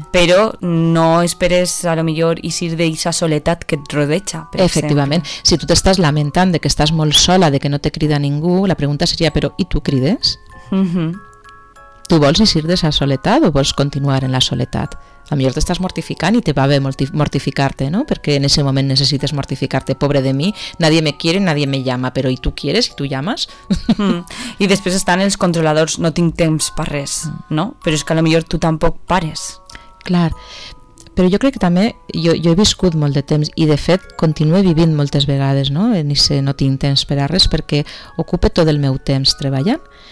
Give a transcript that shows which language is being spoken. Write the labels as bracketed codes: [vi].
[ca] Però no esperes, a lo millor, eixir d'aquesta soledat que et rodeja, per Efectivament. Exemple. Si tu t'estàs lamentant de que estàs molt sola, de que no te crida ningú, la pregunta seria, però i tu crides? Tu vols eixir d'aquesta soledat o vols continuar en la soledat? A millor t'estàs mortificant i te va bé mortificar-te, no? Perquè en ese moment necessites mortificar-te. [es] Pobre de mi, nadie me quiere, nadie me llama. [ca] Però i tu quieres i tu llames? I després estan els controladors, no tinc temps per res, no? Però és que a lo millor tu tampoc pares. Clar, però jo crec que també, jo he viscut molt de temps i de fet continuo vivint moltes vegades, no? Ni sé, no tinc temps per a res perquè ocupo tot el meu temps treballant.